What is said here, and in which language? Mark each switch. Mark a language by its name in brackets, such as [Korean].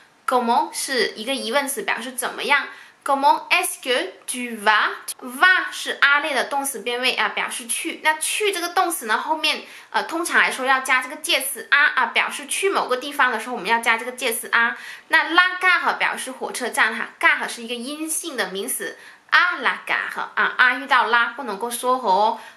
[Chinese] Comment 是一个疑问词，表示怎么样。 [French] Comment est-ce que tu vas? [Chinese] Va 是阿类的动词变位啊，表示去。那去这个动词呢，后面通常来说要加这个介词啊啊，表示去某个地方的时候，我们要加这个介词啊。那 la gare 表示火车站哈 ，gare 是一个阴性的名词啊 la gare 啊啊遇到 la 不能够缩合哦。